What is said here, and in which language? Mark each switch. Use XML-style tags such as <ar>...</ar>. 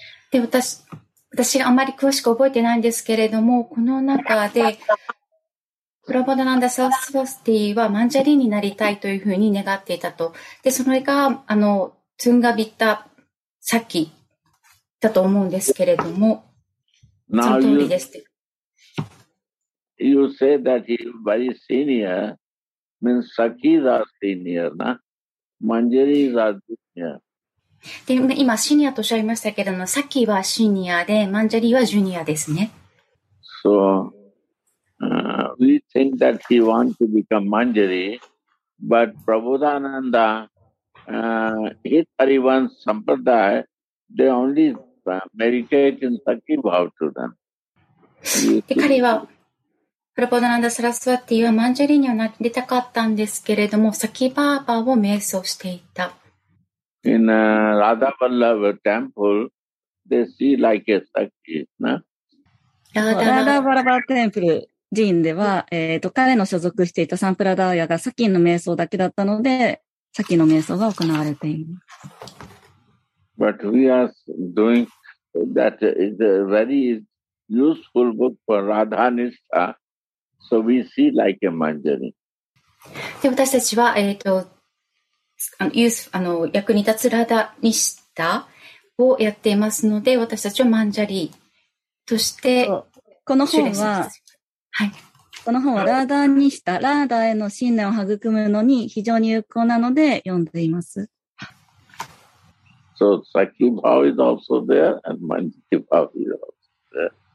<ja>で、私があまり詳しく覚えてないんですけれども、この中で、プラボダナンダ・サラスワスティはマンジャリになりたいというふうに願っていたと。で、それが、トゥンガビッタ・サキ。だと思うんですけれども、 Now、その通りです。</ja> <en>You say that he is very senior, means Sakhi is a senior, na? Manjari is a junior.</en> <ja>で、今シニアとおっしゃいましたけれども、Sakhiはシニアで、マンジャリはジュニアですね。</ja> <en>So, we think that he want to become Manjari, but Prabodhananda, Hitariwan Sampradaya, they only meditate in Sakhi bhav to them.</en> <ja>で彼はプラボダナンダ・サラスワティはマンジャリにはなりたかったんですけれどもサキバーバーを瞑想していた。</ja> <en>In a Radha Vallabha temple, they see like a Sakhi, na?</en> <ja>Radha Vallabha temple 寺院では、彼の所属していたサンプラダーヤがサキの瞑想だけだったのでサキの瞑想が行われています。</ja> <en>But we are doing that is a very useful book for Radha Nishtha. So we see like a Manjari.</en> <ja>で私たちは役に立つラダニシタをやっていますので私たちはマンジャリとしてこの本は、はい、この本はラダニシタラダへの信念を育むのに非常に有効なので読んでいます。</ja> <en>So Sakhi Bhav is also there and Manjari Bhav is also there.</en>